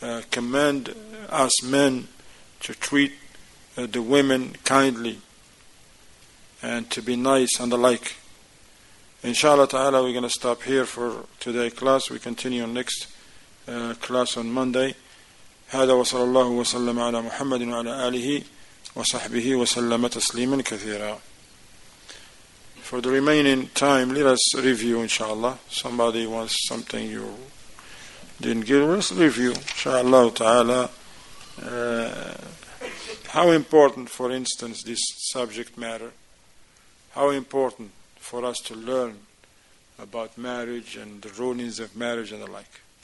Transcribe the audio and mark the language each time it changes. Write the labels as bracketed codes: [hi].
[en] command us men to treat the women kindly and to be nice and the like. Inshallah ta'ala, we're going to stop here for today's class. We continue next class on Monday. [ar] هذا وصلى الله وسلم على محمد وعلى آله وصحبه وسلم تسليما كثيرا. [en] For the remaining time, let us review, inshallah. Somebody wants something you didn't get, let's review, inshallah ta'ala. How important, for instance, this subject matter, how important for us to learn about marriage and the rulings of marriage and the like.